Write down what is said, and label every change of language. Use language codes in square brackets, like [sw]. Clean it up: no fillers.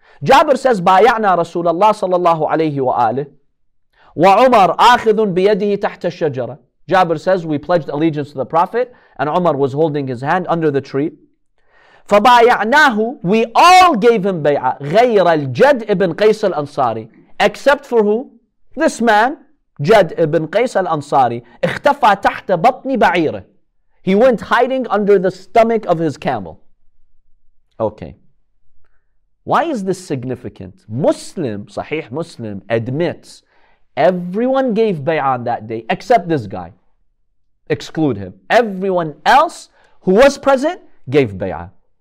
[en] Jabir says, [ar] بايعنا رسول الله صلى الله عليه وآله وعمر آخذ بيده تحت الشجرة. [en] Jabir says, we pledged allegiance to the Prophet and Umar was holding his hand under the tree. [ar] فبايعناه, [en] we all gave him bay'ah, [ar] غير الجد ابن قيس الأنصاري. [en] Except for who? This man, [ar] جد ابن قيس الأنصاري, اختفى تحت بطن بعيره. [en] He went hiding under the stomach of his camel. Okay. Why is this significant? Muslim, Sahih Muslim, admits everyone gave bay'ah on that day except this guy. Exclude him. Everyone else who was present gave bay'ah.